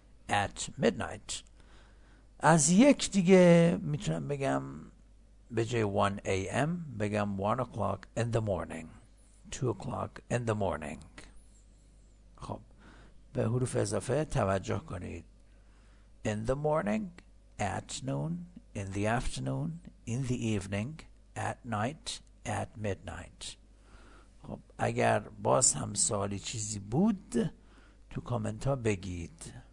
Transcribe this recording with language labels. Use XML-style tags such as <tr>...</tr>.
<en>At midnight.</en> <fa>از یک دیگه میتونم بگم به جای 1 a.m. بگم</fa> <en>1 o'clock in the morning. 2 o'clock in the morning.</en> <fa>خب به حروف اضافه توجه کنید.</fa> <en>In the morning. At noon, in the afternoon, in the evening, at night, at midnight.</en> <fa>خب اگر باز هم سوالی چیزی بود تو کامنت ها بگید.</fa>